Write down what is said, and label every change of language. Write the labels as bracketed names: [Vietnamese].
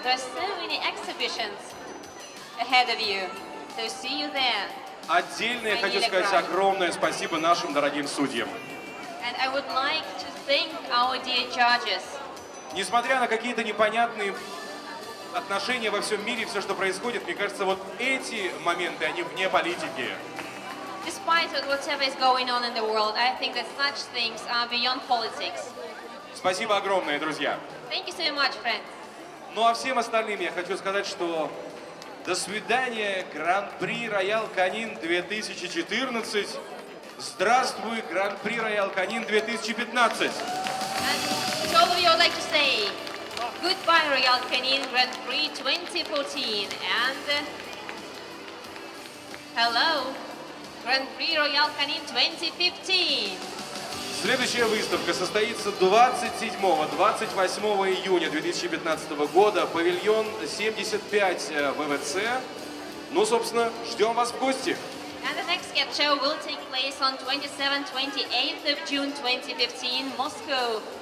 [English] There are so many exhibitions ahead of you. So see you there. [Russian] Отдельно я хочу сказать огромное спасибо нашим дорогим судьям. [English] And I would like to thank our dear judges. [Russian] Несмотря на какие-то непонятные отношения во всем мире, все, что происходит, мне кажется, вот эти моменты, они вне политики. [English] despite whatever is going on in the world, I think that such things are beyond politics. [Russian] Спасибо огромное, друзья. [English] Thank you so much, friends. [Russian] Ну а всем остальным я хочу сказать, что до свидания, Гран-при Роял Канин 2014. Здравствуй, Гран-при Роял Канин 2015. [English] And to all of you, I'd like to say goodbye, Роял Канин Гран При 2014. And hello, Гран При Роял Канин 2015. [Russian] Следующая выставка состоится 27-28 июня 2015 года. Павильон 75 ВВЦ. Ну, собственно, ждем вас в гости. [English] And the next cat show will take place on 27-28 of June 2015, Moscow.